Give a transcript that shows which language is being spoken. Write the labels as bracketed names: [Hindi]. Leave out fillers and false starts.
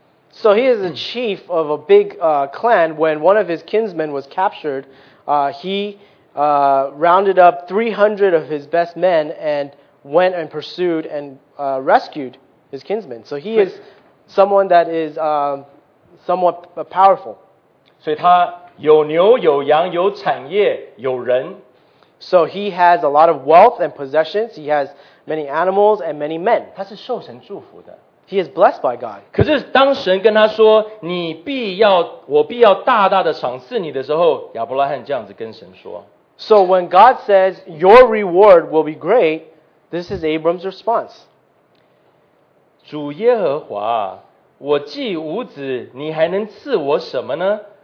[English] So he is the chief of a big clan. When one of his kinsmen was captured, he rounded up 300 of his best men and went and pursued and rescued his kinsmen. So he is someone that is somewhat powerful. [Chinese] 所以他有牛有羊有产业有人。 [English] So he has a lot of wealth and possessions. He has many animals and many men. [Chinese] 他是受神祝福的。 [English] He is blessed by God. [Chinese] 可是当神跟他说, 我必要大大的赏赐你的时候, 亚伯拉罕这样子跟神说。 [English] So when God says, your reward will be great, this is Abram's response. [Chinese] 主耶和华, 我既无子, 你还能赐我什么呢?